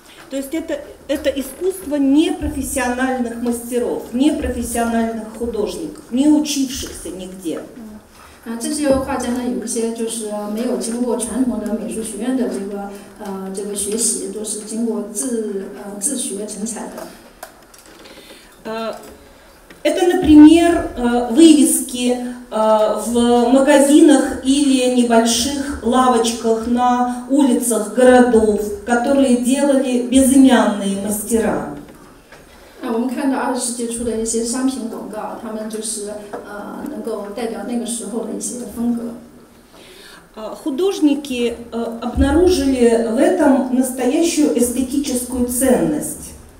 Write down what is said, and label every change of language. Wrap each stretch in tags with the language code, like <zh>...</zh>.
<ru>То есть это искусство непрофессиональных мастеров, непрофессиональных художников, не учившихся нигде.</ru> <zh>那这些画家呢，有一些就是没有经过传统的美术学院的这个学习，都是经过自学成才的。</zh> <ru>Это, например, вывески в магазинах или небольших лавочках на улицах городов, которые делали безымянные мастера. Художники обнаружили в этом настоящую эстетическую ценность.</ru>